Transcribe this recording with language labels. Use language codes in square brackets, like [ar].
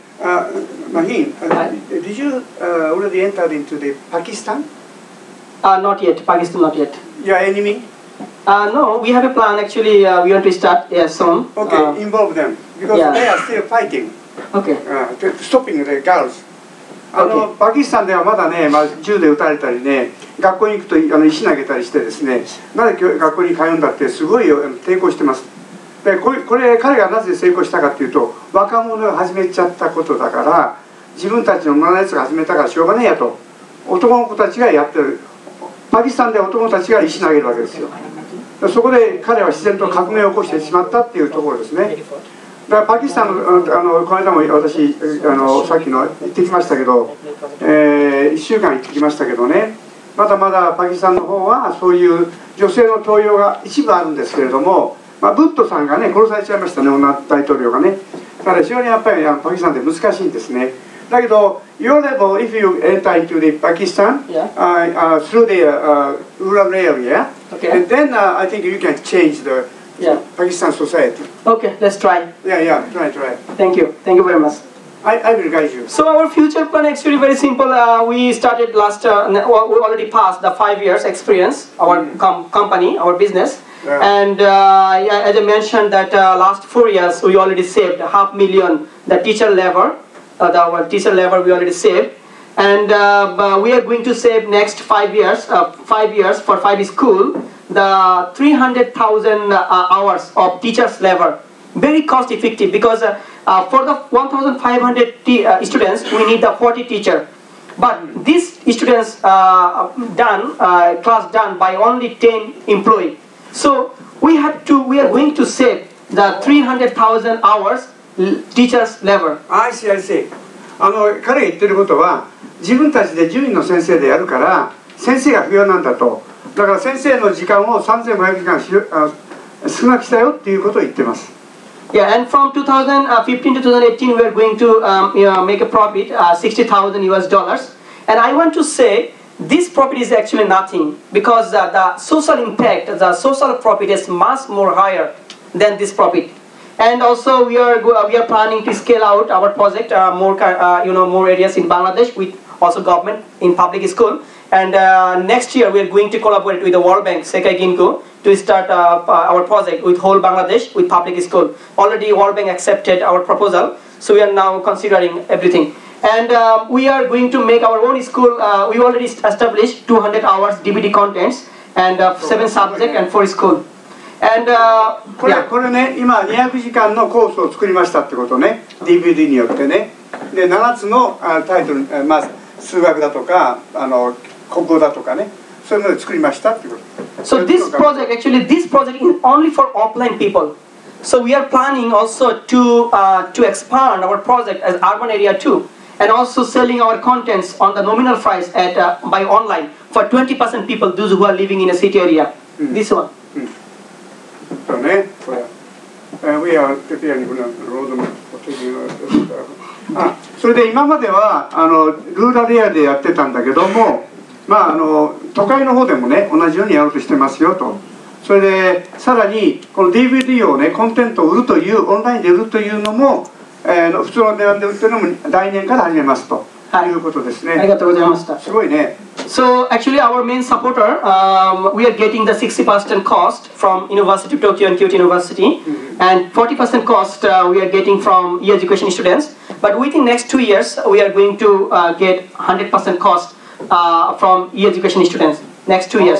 [en] Maheen, did you already enter into the Pakistan? Not yet, Pakistan not yet. Your enemy? No, we have a plan actually, we want to start soon. Okay, involve them. Because they are still fighting. Okay. Stopping the girls. [ja] パキスタンではまだね、まあ、銃で撃たれたりね、学校に行くと石投げたりしてですね、なぜ学校に通うんだってすごい抵抗してます。で、これ彼がなぜ成功したかっていうと、若者が始めちゃったことだから、自分たちの女のやつが始めたからしょうがねえやと、男の子たちがやってる。パキスタンで男の子たちが石投げるわけですよ。そこで彼は自然と革命を起こしてしまったっていうところですね。だからパキスタンの、この間も私さっきの行ってきましたけど、1週間行ってきましたけどね、まだまだパキスタンの方はそういう女性の登用が一部あるんですけれども、まあ、ブットさんがね殺されちゃいましたね、女大統領がね。だから非常にやっぱりパキスタンで難しいんですね。だけど [en] your level if you enter into the Pakistan through the rural area、 okay. and then I think you can change the Yeah. Pakistan society. Okay, let's try. Yeah, try. Thank you very much. I will guide you. So our future plan actually very simple. We started last, we already passed the 5 years experience, our company, our business. Yeah. And as I mentioned that last 4 years, we already saved $500,000, the teacher labor, our teacher labor we already saved. And we are going to save next 5 years, 5 years for 5 schools. The 300,000 hours of teachers' labor, very cost effective, because for the 1,500 students, we need the 40 teacher. But these students class done by only 10 employee. So we are going to save the 300,000 hours teachers' labor. I see. [ja] 彼が言ってることは、自分たちで10人の先生でやるから、先生が不要なんだと。だから先生の時間を3500時間少なくしたよっていうことを言ってます。 [en] Yeah, and from 2015 to 2018 we are going to make a profit $60,000 and I want to say this profit is actually nothing because the social impact, the social profit is much more higher than this profit. And also we are planning to scale out our project more areas in Bangladesh with also government in public schoolAnd next year we are going to collaborate with the World Bank, Sekai Ginko, to start our project with whole Bangladesh, with public school. Already World Bank accepted our proposal, so we are now considering everything. And we are going to make our own school, we already established 200 hours DVD contents, and 7 subjects and 4 schools. And, [ja] これね、今200時間のコースを作りましたってことね、DVD によってね。で、7つのタイトル、まあ数学だとか国語だとかね、そういうので作りましたっていうこと。 [en] So this project, actually this project is only for offline people. So we are planning also to expand our project as urban area too. And also selling our contents on the nominal price at, by online for 20% people, those who are living in a city area. This one. [ja] そうね。 [en] We are preparing a roadmap for taking our project. [ja] それで今まではルーラルエリアでやってたんだけども、まあ、都会の方でもね同じようにやろうとしてますよと。それでさらにこの DVD をねコンテンツを売るという、オンラインで売るというのも、普通の値段で売るというのも来年から始めますと、はい、いうことですね。ありがとうございました。すごいね。 [en] So actually our main supporter、we are getting the 60% cost from University of Tokyo and Kyoto University、mm-hmm. and 40% cost、we are getting from e-education studentsBut within next 2 years, we are going to get 100% cost from e-education students, next 2 years.